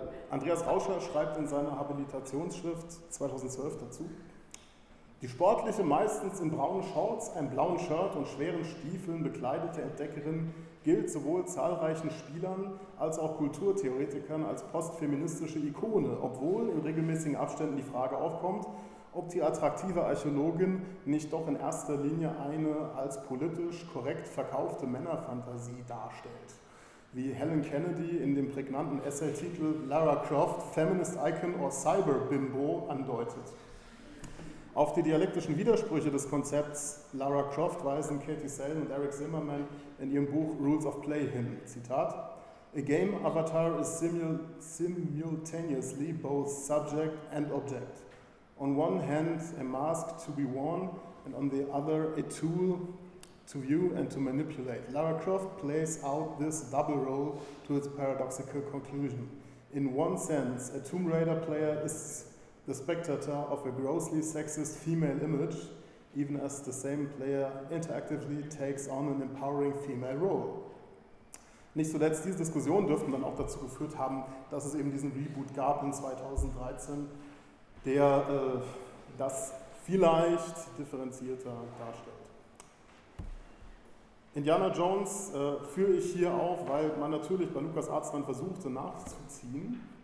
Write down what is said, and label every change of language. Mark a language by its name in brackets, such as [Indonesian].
[German] Andreas Rauscher schreibt in seiner Habilitationsschrift 2012 dazu: Die sportliche, meistens in braunen Shorts, einem blauen Shirt und schweren Stiefeln bekleidete Entdeckerin gilt sowohl zahlreichen Spielern als auch Kulturtheoretikern als postfeministische Ikone, obwohl in regelmäßigen Abständen die Frage aufkommt, ob die attraktive Archäologin nicht doch in erster Linie eine als politisch korrekt verkaufte Männerfantasie darstellt. Wie Helen Kennedy in dem prägnanten Essay-Titel Lara Croft, Feminist Icon or Cyber Bimbo, andeutet. Auf die dialektischen Widersprüche des Konzepts Lara Croft weisen Katie Sale und Eric Zimmerman in ihrem Buch Rules of Play hin. Zitat: [English] A game avatar is simultaneously both subject and object. On one hand a mask to be worn and on the other a tool to view and to manipulate. Lara Croft plays out this double role to its paradoxical conclusion. In one sense, a Tomb Raider player is the spectator of a grossly sexist female image, even as the same player interactively takes on an empowering female role. [German] Nicht zuletzt diese Diskussionen dürften dann auch dazu geführt haben, dass es eben diesen Reboot gab in 2013, der das vielleicht differenzierter darstellt. Indiana Jones führe ich hier auf, weil man natürlich bei LucasArts dann versuchte nachzuziehen.